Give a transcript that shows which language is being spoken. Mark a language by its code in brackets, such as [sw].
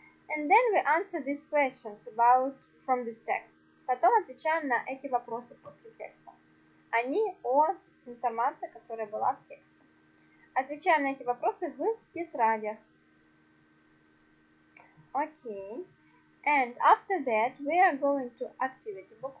[en] And then we answer these questions about from this text. [ru] Потом отвечаем на эти вопросы после текста. Они о информации, которая была в тексте. Отвечаем на эти вопросы в тетрадях. [en] Okay. And after that, we are going to activity book.